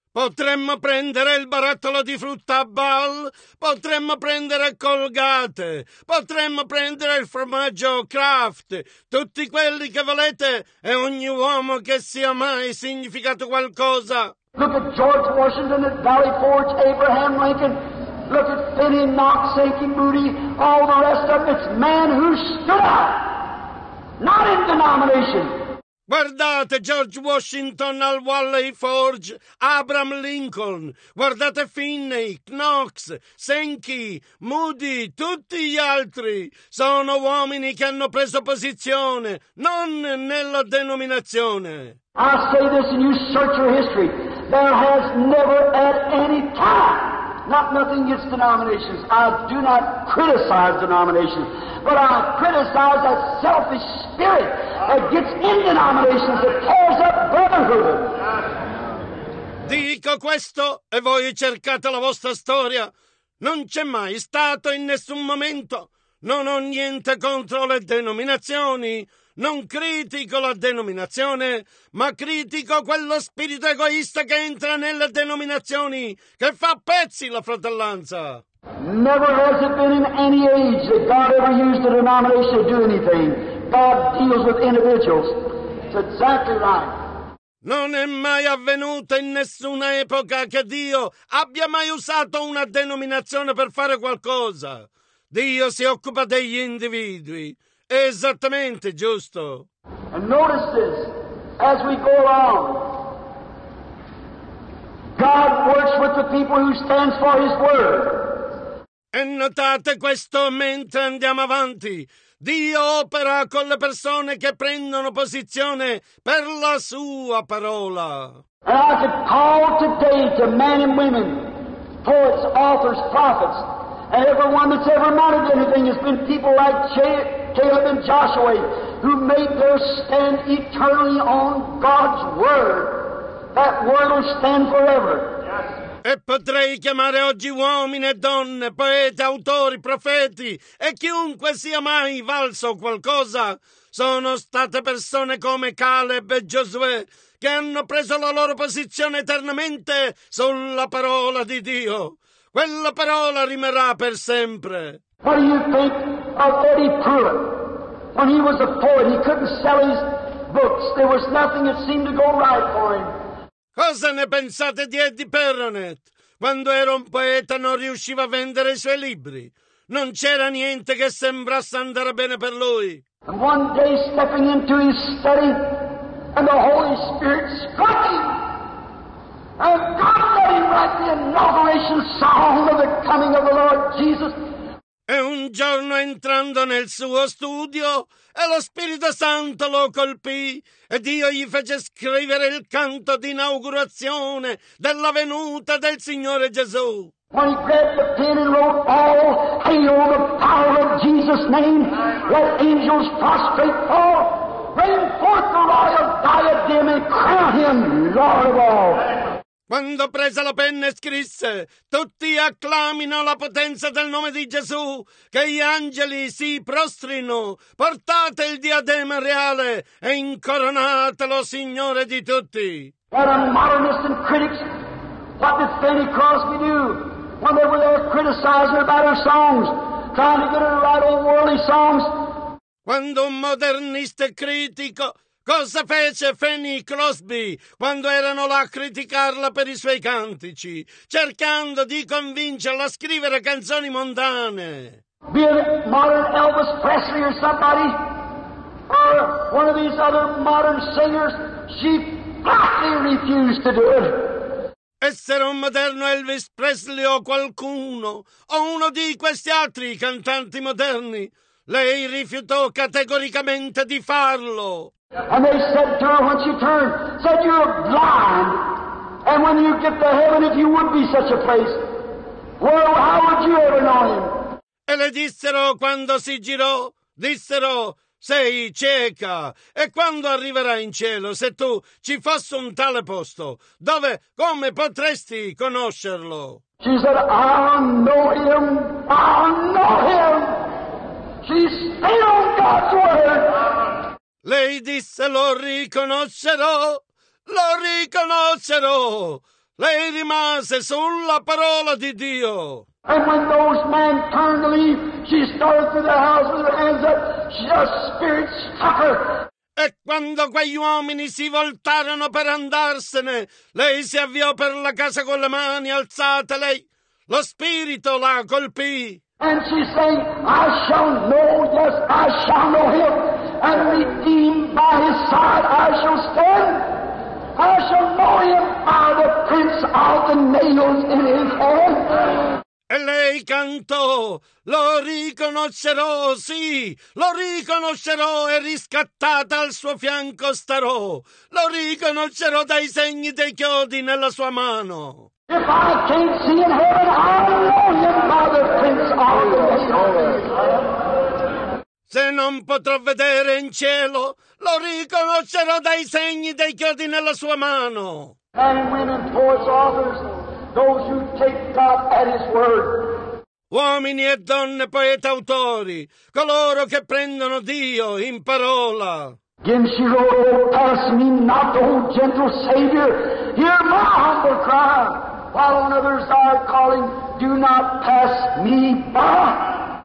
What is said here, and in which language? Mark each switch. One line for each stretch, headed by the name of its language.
Italian: Potremmo prendere il barattolo di frutta a Ball, potremmo prendere Colgate, potremmo prendere il formaggio Kraft, tutti quelli che volete e ogni uomo che sia mai significato qualcosa.
English: Look at George Washington at Valley Forge, Abraham Lincoln, look at Finney, Knox, Sankey, Moody, all the rest of it's man who stood up, not in denomination.
Italian: Guardate George Washington al Valley Forge, Abraham Lincoln, guardate Finney, Knox, Sankey, Moody, tutti gli altri. Sono uomini che hanno preso posizione, non nella denominazione.
English: I say this and you search your history. There has never at any time, not nothing against denominations. I do not criticize denominations. But I criticize that selfish spirit that gets in denominations, that tears up brotherhood.
Italian: Dico questo e voi cercate la vostra storia. Non c'è mai stato in nessun momento. Non ho niente contro le denominazioni. Non critico la denominazione, ma critico quello spirito egoista che entra nelle denominazioni, che fa a pezzi la fratellanza.
English: Never has it been in any age that God ever used a denomination to do anything. God deals with individuals. It's exactly right.
Italian: Non è mai avvenuto in nessuna epoca che Dio abbia mai usato una denominazione per fare qualcosa. Dio si occupa degli individui. Esattamente giusto.
English: And notice this as we go along. God works with the people who stands for His word.
Italian: E notate questo mentre andiamo avanti. Dio opera con le persone che prendono posizione per la sua parola.
English: And I could call today to men and women, poets, authors, prophets, and everyone that's ever mattered anything has been people like Caleb and Joshua who made their stand eternally on God's word. That word will stand forever.
Italian: E potrei chiamare oggi uomini e donne, poeti, autori, profeti e chiunque sia mai valso qualcosa. Sono state persone come Caleb e Giosuè che hanno preso la loro posizione eternamente sulla parola di Dio. Quella parola rimarrà per sempre.
English: What do you think of Eddie Pruitt? When he was a poet, he couldn't sell his books. There was nothing that seemed to go right for him.
Italian: Cosa ne pensate di Eddie Perronet? Quando era un poeta non riusciva a vendere i suoi libri. Non c'era niente che sembrasse andare bene per lui.
English: And one day stepping into his study and the Holy Spirit struck him. And God let him write the inauguration song of the coming of the Lord Jesus.
Italian: E un giorno entrando nel suo studio, e lo Spirito Santo lo colpì, e Dio gli fece scrivere il canto di inaugurazione della venuta del Signore Gesù.
English: When he grabbed the pen and wrote, all hail the power of Jesus' name, let angels prostrate fall, bring forth the royal diadem and crown him Lord of all.
Italian: Quando prese la penna e scrisse, tutti acclamino la potenza del nome di Gesù, che gli angeli si prostrino, portate il diadema reale e incoronatelo Signore di tutti.
English: What a modernist and critics, what did Fanny Crosby do when they were there criticizing about her songs, trying to get her to write old worldly songs?
Italian: Quando un modernista critico, cosa fece Fanny Crosby quando erano là a criticarla per i suoi cantici, cercando di convincerla a scrivere canzoni mondane?
English: Be it modern Elvis Presley or somebody, or one of these other modern singers, she flatly refused to do it.
Italian: Essere un moderno Elvis Presley o qualcuno, o uno di questi altri cantanti moderni, lei rifiutò categoricamente di farlo.
English: And they said to her when she turned, said, you're blind. And when you get to heaven, if you would be such a place, well, how would you ever know him?
Italian: E le dissero quando si girò, dissero, sei cieca. E quando arriverai in cielo, se tu ci fossi un tale posto, dove, come potresti conoscerlo?
English: She said, I know him. I know him. She's still on God's word.
Italian: Lei disse, lo riconoscerò, lo riconoscerò. Lei rimase sulla parola di Dio.
English: And when those men turned to leave, she started through the house with her hands up. The spirit struck her.
Italian: E quando quegli uomini si voltarono per andarsene, lei si avviò per la casa con le mani alzate. Lei, lo spirito la colpì.
English: And she said, I shall know, yes, I shall know him. And redeemed by his side I shall stand. I shall know him by the prints of the nails in his hand.
Italian: E lei cantò, lo riconoscerò, sì, lo riconoscerò e riscattata al suo fianco starò. Lo riconoscerò dai segni dei chiodi nella sua mano.
English: If I can't see in heaven, I'll know him by the prints of the nails.
Italian: Se non potrò vedere in cielo, lo riconoscerò dai segni dei chiodi nella sua mano.
English: And women towards others, those who take God at his word.
Italian: Uomini e donne poeta autori, coloro che prendono Dio in parola.
English: Again she wrote, oh, pass me not, O gentle Savior, hear my humble cry, while on others are calling, do not pass me by.